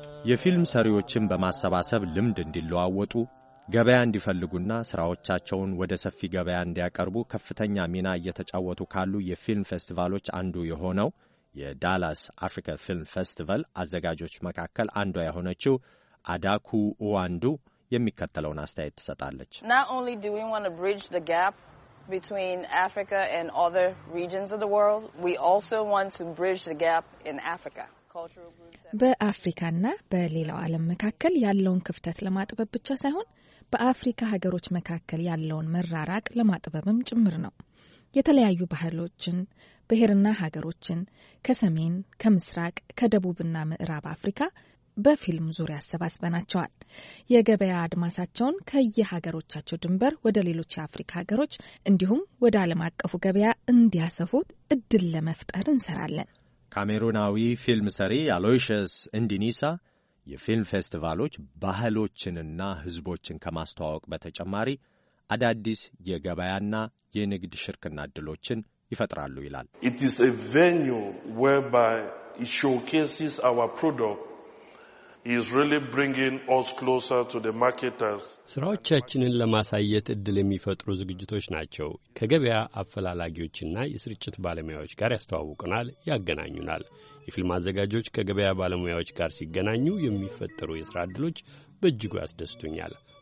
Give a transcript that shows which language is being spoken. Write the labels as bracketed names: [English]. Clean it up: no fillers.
[Amharic] የፊልም ሰሪዎችን በማሰባሰብ ልምድ እንዲለዋወጡ፣ ገበያ እንዲፈልጉና ሥራዎቻቸውን ወደ ሰፊ ገበያ እንዲያቀርቡ ከፍተኛ ሚና እየተጫወቱ ካሉ የፊልም ፌስቲቫሎች አንዱ የሆነው የዳላስ አፍሪካ ፊልም ፌስቲቫል አዘጋጆች መካከል አንዷ የሆነችው አዳኩ ኡዋንዱ የሚከተለውን አስተያየት ትሰጣለች። [English] Not only do we want to bridge the gap between Africa and other regions of the world, we also want to bridge the gap in Africa. [Amharic] በአፍሪካና በሌላው ዓለም መካከል ያለውን ክፍተት ለማጥበብ ብቻ ሳይሆን በአፍሪካ ሀገሮች መካከል ያለውን መራራቅ ለማጥበብም ጭምር ነው። የተለያዩ ባህሎችን፣ ብሔርና ሀገሮችን ከሰሜን፣ ከምስራቅ፣ ከደቡብና ምዕራብ አፍሪካ በፊልም ዙሪያ አሰባስበናቸዋል። የገበያ አድማሳቸውን ከየሀገሮቻቸው ድንበር ወደ ሌሎች የአፍሪካ ሀገሮች እንዲሁም ወደ ዓለም አቀፉ ገበያ እንዲያሰፉት እድል ለመፍጠር እንሰራለን። ካሜሩናዊ ፊልም ሰሪ አሎይሽስ እንዲኒሳ የፊልም ፌስቲቫሎች ባህሎችንና ህዝቦችን ከማስተዋወቅ በተጨማሪ አዳዲስ የገበያና የንግድ ሽርክና ድሎችን ይፈጥራሉ ይላል። [English] It is a venue whereby it showcases our product. Is really bringing us closer to the marketers. [Amharic] ስራዎቻችንን ለማሳየት እድል የሚፈጥሩ ዝግጅቶች ናቸው። ከገበያ አፈላላጊዎችና የስርጭት ባለሙያዎች ጋር ያስተዋውቀናል፣ ያገናኙናል። የፊልም አዘጋጆች ከገበያ ባለሙያዎች ጋር ሲገናኙ የሚፈጠሩ የስራ እድሎች በእጅጉ ያስደስቱኛል።